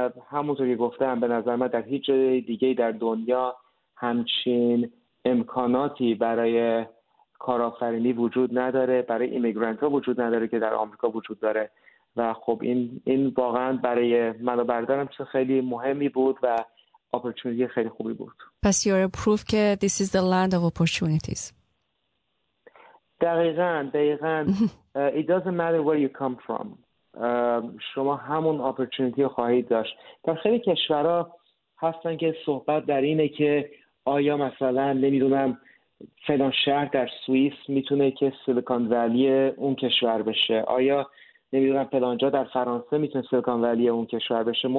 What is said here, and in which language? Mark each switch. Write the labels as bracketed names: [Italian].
[Persian] همونطوری گفتم به نظر من در هیچ جای دیگه در دنیا همچین امکاناتی برای کارآفرینی وجود نداره، برای ایمیگرنت ها وجود نداره که در آمریکا وجود داره. و خب این واقعا برای من و برادرم چه خیلی مهمی بود و اپورتونیتی خیلی خوبی بود. [English] پس you are a proof که this is the land of opportunities. دقیقاً it doesn't matter where you come from. [Persian] شما همون اپورتونیتی رو خواهید داشت. در خیلی کشورها هستن که صحبت در اینه که آیا مثلا نمیدونم فلان شهر در سوئیس میتونه که سیلیکون ولی اون کشور بشه، آیا نمیدونم فلان جا در فرانسه میتونه سیلیکون ولی اون کشور بشه.